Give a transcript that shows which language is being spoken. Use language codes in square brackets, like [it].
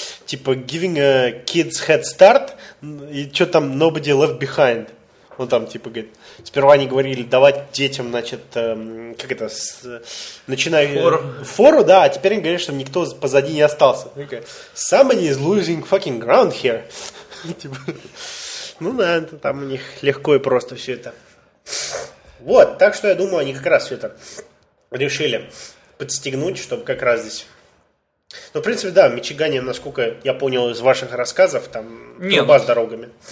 [ru] Типа, [en] giving a kids head start, [ru] и что там, [en] nobody left behind. [ru] Ну, там, типа, говорит, сперва они говорили давать детям, значит, как это, начиная... Фору, да, а теперь они говорят, что никто позади не остался. [en] Somebody is losing fucking ground here. [ru] Типа, ну, да, это там у них легко и просто все это. Вот, так что я думаю, они как раз все это... решили подстегнуть, чтобы как раз здесь... Ну, в принципе, да, в Мичигане, насколько я понял из ваших рассказов, там труба с дорогами.